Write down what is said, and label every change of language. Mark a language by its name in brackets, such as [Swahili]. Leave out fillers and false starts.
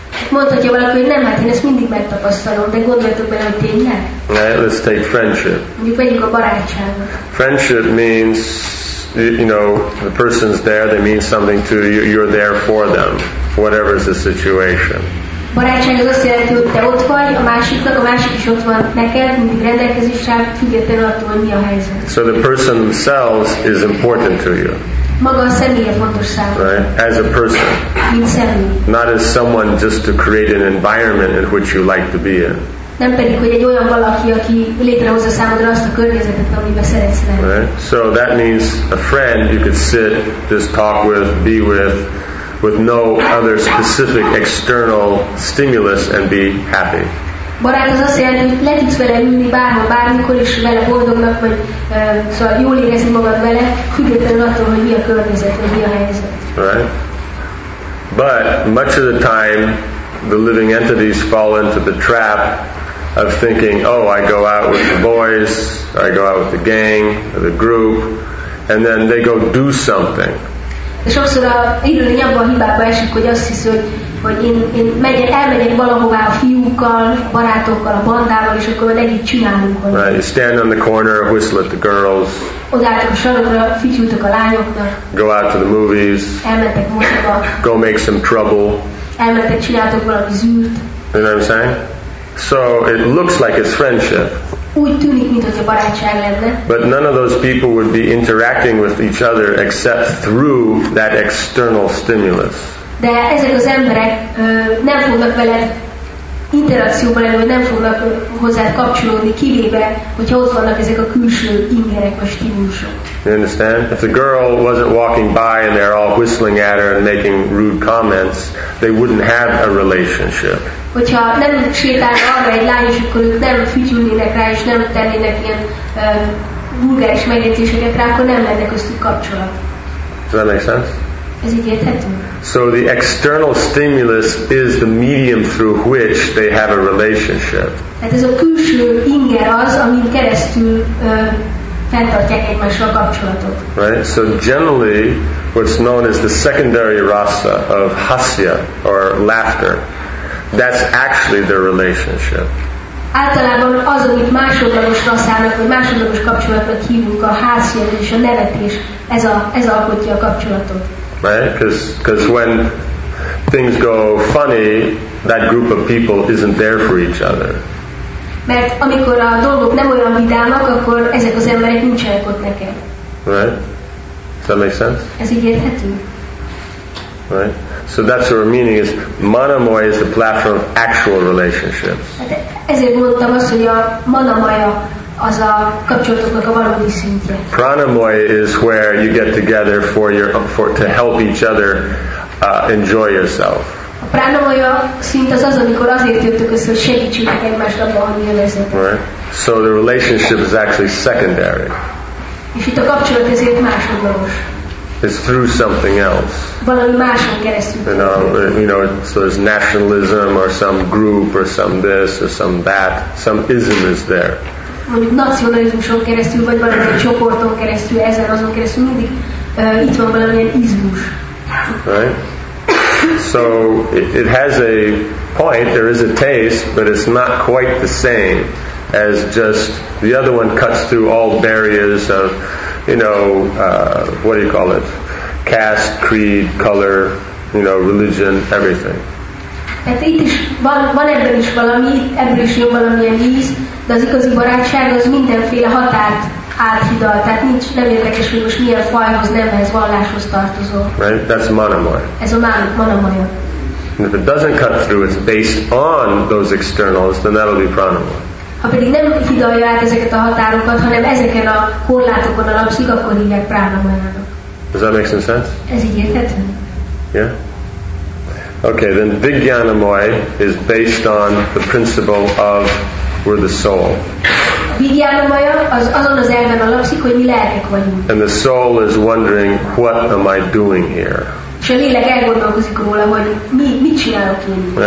[Hungarian] Mondhatja valaki, hogy nem, hát én ezt mindig megtapasztalom, de gondoljatok bele, hogy tényleg? [English] Right, let's take friendship. [Hungarian] Mondjuk vegyük a barátságot. [English] Friendship means, you know, the person's there, they mean something to you, you're there for them, whatever is the situation. [Hungarian] Barátság az azt jelenti, hogy te ott vagy a másiknak, a másik is ott van neked, mindig rendelkezés rá, függetlenül attól, hogy mi a helyzet. [English] So the person themselves is important to you. [Hungarian] Maga a személye fontos számára. [English] Right? As a person. [Hungarian] Mint személy. [English] Not as someone just to create an environment in which you like to be in. [Hungarian] Nem pedig, hogy egy olyan valaki, aki létrehozza számodra azt a környezetet, amiben szeretsz lenni. [English] Right. So that means a friend you could sit, just talk with, be with no other specific external stimulus and be happy. [Hungarian] Barát az azt jelenti, hogy le tudsz vele ülni bárhol, bármikor is vele boldognak, vagy szóval jól érezni magad vele, függetlenül attól, hogy mi a környezet, vagy mi a helyzet. [English] Right. But much of the time, the living entities fall into the trap of thinking, oh, I go out with the boys, I go out with the gang, or the group, and then they go do something. [Hungarian] De sokszor a élőlény abban a hibába esik, hogy azt hisz, hogy elmegyek valahová a fiúkkal, a barátokkal, a bandával, és akkor meg együtt csinálunk valamit. [English] Right, you stand on the corner, whistle at the girls. [Hungarian] Odálltok a sarokra, fütyültök a lányoknak. [English] Go out to the movies. [Hungarian] Elmentek moziba. [English] Go make some trouble. [Hungarian] Elmentek, csináltok valami zűrt. [English] You know what I'm saying? So it looks like it's friendship. [Hungarian] Úgy tűnik, mint hogy a barátság lenne. [English] But none of those people would be interacting with each other except through that external stimulus. [Hungarian] De ezek az emberek nem fognak veled interakcióban lenni, vagy nem fognak hozzád kapcsolódni, kivéve, hogyha ott vannak ezek a külső ingerek, a stimulusok. [English] You understand? If the girl wasn't walking by and they're all whistling at her and making rude comments, they wouldn't have a relationship. [Hungarian] Hogyha nem sétálna arra egy lány, és akkor ők nem fütyülnének rá, és nem tennének ilyen vulgáris megjegyzéseket rá, akkor nem lenne köztük kapcsolat. [English] Does that make sense? [Hungarian] Ez így érthető? [English] So the external stimulus is the medium through which they have a relationship. [Hungarian] Hát ez a külső inger az, amin keresztül [English] right. So generally, what's known as the secondary rasa of hasya or laughter, that's actually their relationship. [Hungarian] Általában az, amit másodlagos rasszának vagy másodlagos kapcsolatnak hívunk, a hasya és a nevetés, ez alkotja a kapcsolatot. [English] Right? Because when things go funny, that group of people isn't there for each other. [Hungarian] Mert amikor a dolgok nem olyan vidámak, akkor ezek az emberek nincsenek ott neked. [English] Right? Does that make sense? [Hungarian] Ez így érthető? [English] Right? So that's what our meaning is. Manamaya is the platform of actual relationships. [Hungarian] Hát ezért mondtam azt, hogy a manamaya az a kapcsolatoknak a valódi szintje. [English] Pranamaya is where you get together to help each other enjoy yourself. [Hungarian] A pranamaya szint az, amikor azért jöttök össze, hogy segítsünk egymást abban, hogy élvezzetek. [English] Right. So the relationship is actually secondary. [Hungarian] És itt a kapcsolat ezért másodlagos. [English] It's through something else. [Hungarian] Valami máson keresztül. [English] You know, so there's nationalism or some group or some this or some that. Some ism is there. [Hungarian] Mondjuk nacionalizmuson keresztül, vagy valami csoporton keresztül, ezen azon keresztül mindig itt van valamilyen izmus. [English] Right. So it has a point, there is a taste, but it's not quite the same as just the other one cuts through all barriers of, you know, what do you call it? Caste, creed, color, you know, religion, everything. [Hungarian] Hát itt is van ebben is valami, ebből is jobb valamilyen íz, de az igazi barátság az mindenféle határt áthidal, tehát nincs, nem érdekes, hogy most milyen fajhoz, nemhez, valláshoz tartozó. [English] Right, that's manamaya. [Hungarian] Ez a manamaya. [English] And if it doesn't cut through, it's based on those externals, then that'll be pranamaya. [Hungarian] Ha pedig nem hidalja át ezeket a határokat, hanem ezeken a korlátokon alapszik, akkor hívják pranamayának. [English] Does that make some sense? [Hungarian] Ez így érthető? [English] Yeah? Okay, then Vijñānamaya is based on the principle of we're the soul. [Hungarian] Vijñānamaya az azon az elven alapszik, hogy mi lelkek vagyunk. [English] And the soul is wondering, what am I doing here? [Hungarian] És a lélek elgondolkozik róla, hogy mit csinálok én.